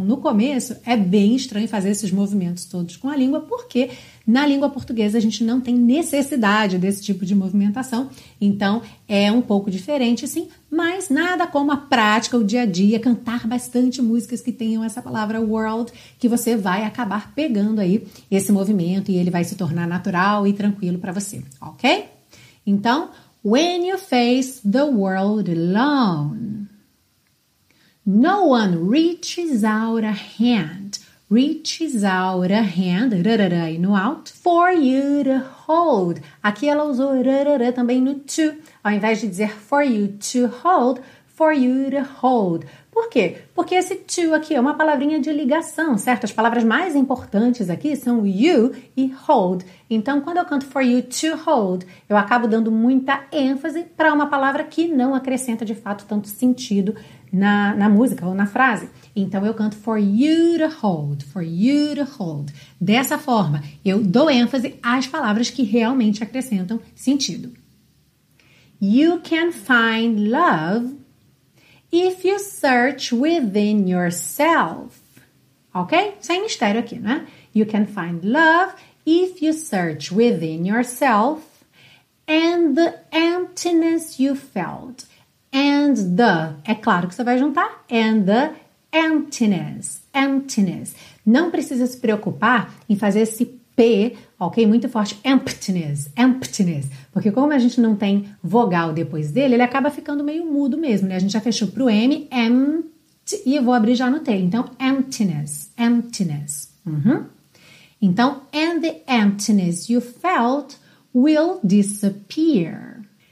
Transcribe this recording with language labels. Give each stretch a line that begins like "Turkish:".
Portuguese: No começo é bem estranho fazer esses movimentos todos com a língua, porque na língua portuguesa a gente não tem necessidade desse tipo de movimentação, então é um pouco diferente, sim, mas nada como a prática, o dia a dia, cantar bastante músicas que tenham essa palavra world, que você vai acabar pegando aí esse movimento e ele vai se tornar natural e tranquilo para você, ok?
English: Então, when you face the world alone, no one reaches out a hand, reaches out a hand, rarara, e no out, for you to hold.
Portuguese: Aqui ela usou rarara também no to, ao invés de dizer
English: for you to hold, for you to hold.
Portuguese: Por quê? Porque esse to aqui é uma palavrinha de ligação, certo? As palavras mais importantes aqui são you e hold. Então, quando eu canto for you to hold, eu acabo dando muita ênfase para uma palavra que não acrescenta, de fato, tanto sentido na música ou na frase.
English: Então, eu canto for you to hold, for you to hold.
Portuguese: Dessa forma, eu dou ênfase às palavras que realmente acrescentam sentido.
English: You can find love if you search within yourself, ok?
Portuguese: Sem mistério aqui, né?
English: You can find love if you search within yourself and the emptiness you felt.
Portuguese: And the, é claro que você vai juntar, and the emptiness, emptiness. Não precisa se preocupar em fazer esse P, ok? Muito forte, emptiness, emptiness. Porque como a gente não tem vogal depois dele, ele acaba ficando meio mudo mesmo, né? A gente já fechou pro M, empty, e eu vou abrir já no T. Então, emptiness, emptiness. Uhum. Então,
English: and the emptiness you felt will disappear.